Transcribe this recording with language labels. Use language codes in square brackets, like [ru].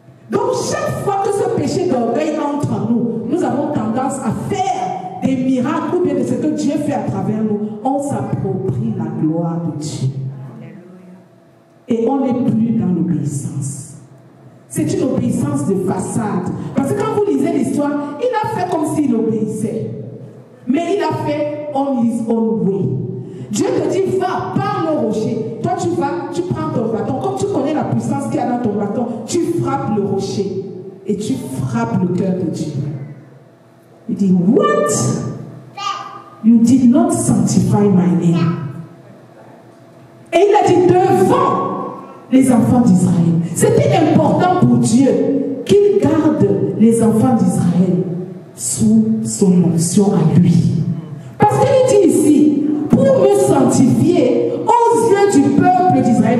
[fr] Donc chaque fois que ce péché d'orgueil entre en nous, nous avons tendance à faire des miracles ou bien de ce que Dieu fait à travers nous. On s'approprie la gloire de Dieu. Et on n'est plus dans l'obéissance. C'est une obéissance de façade. Parce que quand vous lisez l'histoire, il a fait comme s'il obéissait. Mais il a fait [en] on his own way. [fr] Dieu te dit, va par le rocher. Toi, tu vas, tu prends ton bâton. Comme tu connais la puissance qu'il y a dans ton bâton, tu frappes le rocher. Et tu frappes le cœur de Dieu. Il dit, what? [en] You did not sanctify my name. [fr] Et il a dit, devant les enfants d'Israël. C'était important pour Dieu qu'il garde les enfants d'Israël sous son onction à lui. Parce qu'il dit ici, pour me sanctifier aux yeux du peuple d'Israël.